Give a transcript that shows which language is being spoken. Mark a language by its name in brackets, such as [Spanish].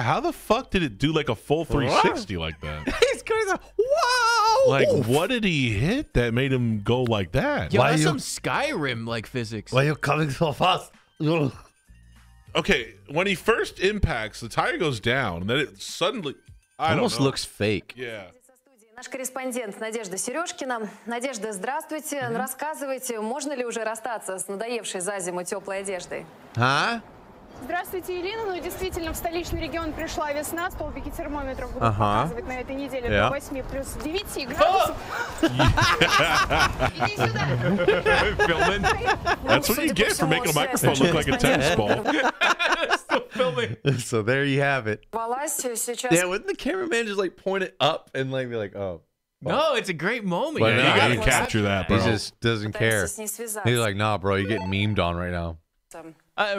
[English] How the fuck did it do like a full 360 like that? He's going to wow. Like, what did he hit that made him go like that? Yo, that's some Skyrim-like physics. Why are you coming so fast? Okay, when he first impacts, the tire goes down, and then it suddenly, almost looks fake. Yeah. [Russian] Наш корреспондент Надежда Сережкина. Надежда, здравствуйте. Mm-hmm. Рассказывайте, можно ли уже расстаться с надоевшей за зиму теплой одеждой? А? Здравствуйте, Елена. Ну, действительно, в столичный регион пришла весна. Столбики термометров будут показывать на этой неделе до 8 плюс 9 градусов. Иди сюда. [English] That's what you get for making a microphone look like a tennis ball. So there you have it. Yeah, wouldn't the cameraman just like point it up and like be like, oh. No, it's a great moment. But yeah, you gotta capture that, bro. He just doesn't care. He's like, nah, bro, you're getting memed on right now.